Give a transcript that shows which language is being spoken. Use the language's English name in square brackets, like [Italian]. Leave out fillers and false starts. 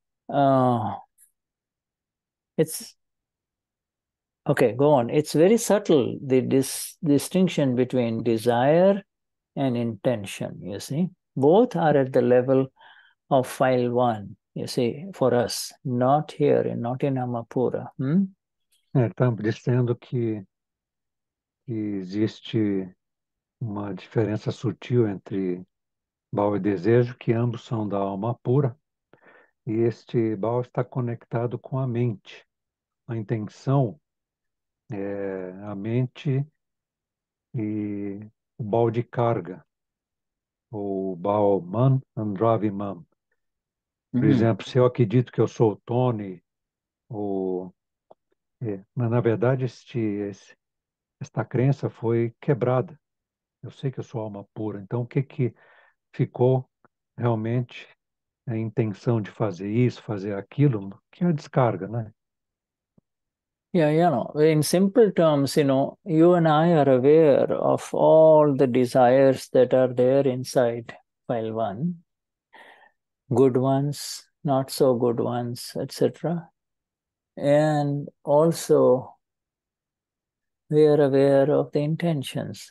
[English] So it's. Okay, go on. It's very subtle, the distinction between desire and intention, you see. Both are at the level of file one, you see, for us, not here and not in Amapura. [Portuguese] Estão dizendo que existe uma diferença sutil entre Bhav e desejo, que ambos são da alma pura, e este Bhav está conectado com a mente. a intenção, a mente e o Bhaav de carga, o Bhaav Man and Drive Man. Por exemplo, se eu acredito que eu sou o Tony, mas na verdade esta crença foi quebrada. Eu sei que eu sou alma pura. Então, o que que ficou realmente a intenção de fazer isso, fazer aquilo, que é a descarga, né? [English] In simple terms, you and I are aware of all the desires that are there inside file one. Good ones, not so good ones, etc. And also, we are aware of the intentions.